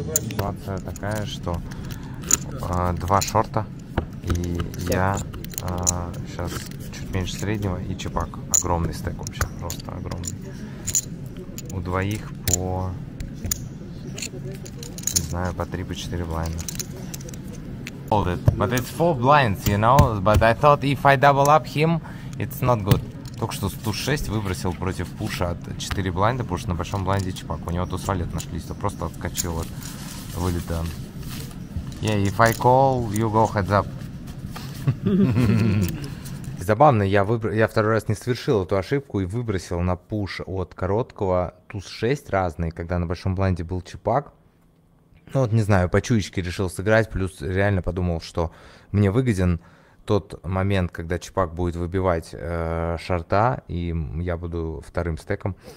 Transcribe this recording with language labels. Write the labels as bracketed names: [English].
[Russian] Ситуация такая, что два шорта, и я сейчас чуть меньше среднего, и чипак. Огромный стек вообще, просто огромный. У двоих по, не знаю, по 3-4 блайна. [English] It. But it's four blinds, you know, but I thought if I double up him, it's not good. [Russian] Только что туз 6 выбросил против пуша от 4 блайнда, потому что на большом блайнде чипак. У него туз валет нашлись, то просто отскочил от вылета. [English] Yeah, if I call, you go heads up. [Russian] Забавно, я второй раз не совершил эту ошибку и выбросил на пуш от короткого туз 6 разный, когда на большом блайнде был чипак. Ну вот не знаю, по чуечке решил сыграть, плюс реально подумал, что мне выгоден тот момент, когда чипак будет выбивать шорта, и я буду вторым стеком.